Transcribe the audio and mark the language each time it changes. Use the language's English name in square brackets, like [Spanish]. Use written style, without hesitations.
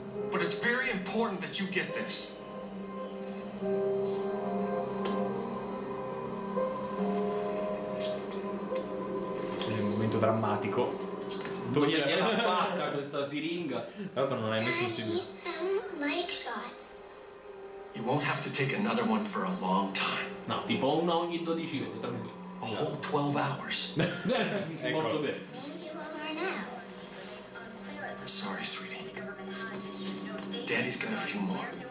[English] But it's very important that you get this. [Italian] È un momento drammatico. Tu gliel'ha fatta questa siringa. L'altro non hai messo sicuro. [English] Like shots. You won't have to take another one for a long time. [Italian] No, tipo una ogni 12 ore, tranquillo. [English] A whole 12 hours. [Italian] Ecco. Molto bene. [English] Sorry, sweetie. Daddy's got a few more.